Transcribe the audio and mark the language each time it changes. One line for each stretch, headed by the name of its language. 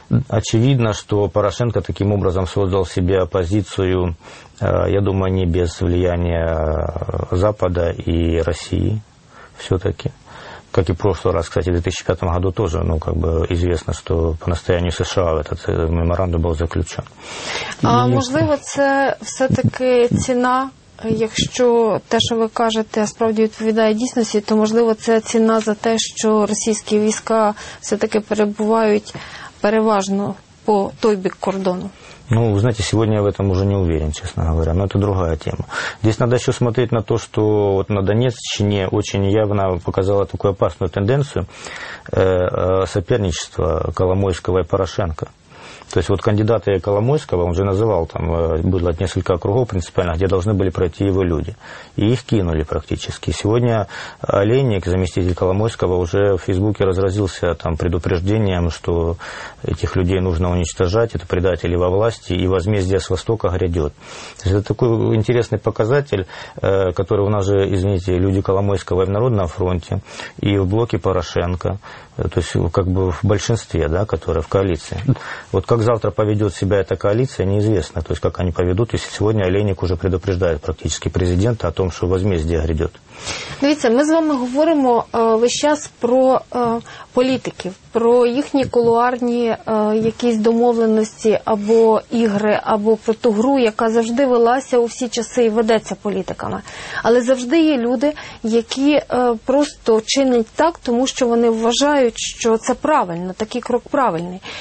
Russian: Очевидно, что Порошенко таким образом создал себе оппозицию, я думаю, не без влияния Запада и России все-таки. Как и в прошлый раз, кстати, в 2005 году тоже, ну, как бы известно, что по настоянию США этот меморандум был заключен. А, и... возможно, это все-таки цена...
Ukrainian: Якщо те, що ви кажете, справді відповідає дійсності, то, можливо, це ціна за те, що російські війська все-таки перебувають переважно по той бік кордону.
Russian: Ну, вы знаете, сегодня я в этом уже не уверен, честно говоря, но это другая тема. Здесь надо еще смотреть на то, что вот на Донецчине очень явно показало такую опасную тенденцию соперничества Коломойского и Порошенко. То есть вот кандидаты Коломойского, он же называл, там было несколько округов принципиально, где должны были пройти его люди. И их кинули практически. Сегодня Олейник, заместитель Коломойского, уже в Фейсбуке разразился там предупреждением, что этих людей нужно уничтожать, это предатели во власти, и возмездие с Востока грядет. То есть это такой интересный показатель, который у нас же, извините, люди Коломойского и в Народном фронте, и в блоке Порошенко, то есть как бы в большинстве, да, которые в коалиции. Вот как завтра поведет себя эта коалиция, неизвестно. То есть как они поведут, если сегодня Олейник уже предупреждает практически президента о том, что возмездие грядет.
Ukrainian: Дивіться, ми з вами говоримо весь час про політиків, про їхні кулуарні якісь домовленості або ігри, або про ту гру, яка завжди велася у всі часи і ведеться політиками. Але завжди є люди, які просто чинять так, тому що вони вважають, що це правильно, такий крок правильний.